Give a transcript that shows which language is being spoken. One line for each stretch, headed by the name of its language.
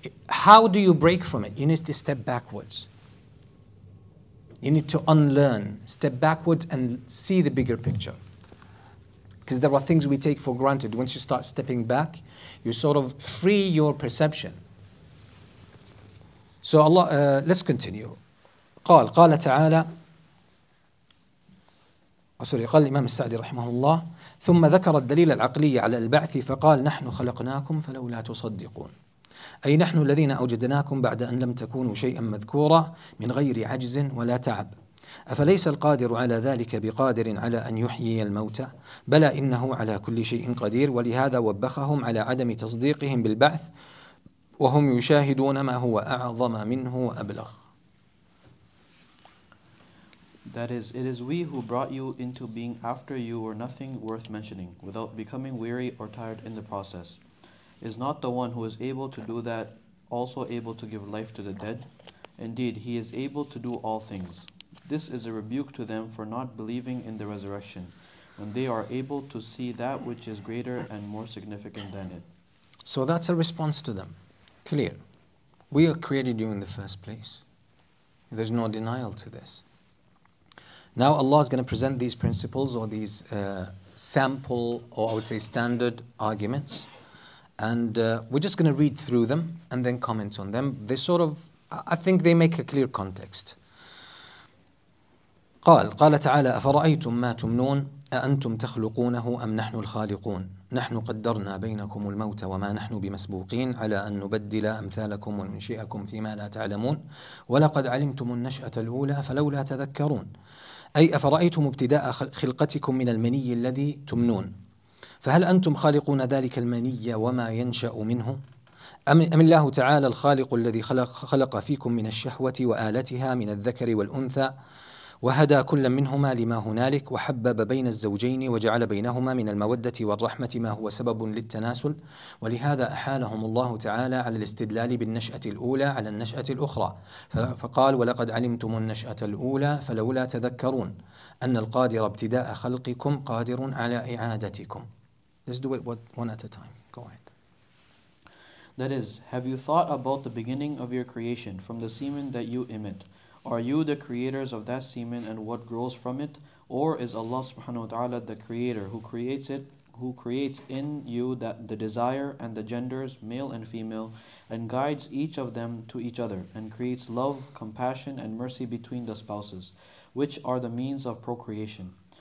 English: How do you break from it? You need to step backwards. You need to unlearn, step backwards and see the bigger picture. Because there are things we take for granted. Once you start stepping back, you sort of free your perception. So Allah, let's continue.
Arabic: قال تعالى,
English: sorry,
Arabic: قال الإمام السعدي رحمه الله, ثم ذكر الدليل العقلي على البعث فقال نحن خلقناكم فلولا تصدقون. أي نحن الذين أوجدناكم بعد أن لم تكونوا شيئا مذكورا من غير عجز ولا تعب أفليس القادر على ذلك بقادر على أن يحيي الموتى بلى إنه على كل شيء قدير ولهذا وبخهم على عدم تصديقهم بالبعث وهم يشاهدون ما هو أعظم منه وأبلغ.
English: That is, it is we who brought you into being after you were nothing worth mentioning without becoming weary or tired in the process. Is not the one who is able to do that also able to give life to the dead? Indeed, he is able to do all things. This is a rebuke to them for not believing in the resurrection, when they are able to see that which is greater and more significant than it. So that's a response to them. Clear. We have created you in the first place. There's no denial to this. Now Allah is going to present these principles or these sample or I would say standard arguments. And we're just going to read through them and then comment on them. They sort of, I think they make a clear context.
Arabic: قال تعالى أفرأيتم ما تمنون أأنتم تخلقونه أم نحن الخالقون نحن قدرنا بينكم الموت وما نحن بمسبوقين على أن نبدل أمثالكم وننشئكم فيما لا تعلمون ولقد علمتم النشأة الأولى فلولا تذكرون أي أفرأيتم ابتداء خلقتكم من المني الذي تمنون فهل أنتم خالقون ذلك المني وما ينشأ منه؟ أم الله تعالى الخالق الذي خلق فيكم من الشهوة وآلتها من الذكر والأنثى وهدى كل منهما لما هنالك وحبب بين الزوجين وجعل بينهما من المودة والرحمة ما هو سبب للتناسل؟ ولهذا أحالهم الله تعالى على الاستدلال بالنشأة الأولى على النشأة الأخرى فقال ولقد علمتم النشأة الأولى فلولا تذكرون أن القادر ابتداء خلقكم قادر على إعادتكم.
English: Let's do it one at a time. Go ahead. That is, have you thought about the beginning of your creation from the semen that you emit? Are you the creators of that semen and what grows from it? Or is Allah subhanahu wa ta'ala the creator who creates it, who creates in you that the desire and the genders, male and female, and guides each of them to each other, and creates love, compassion, and mercy between the spouses, which are the means of procreation?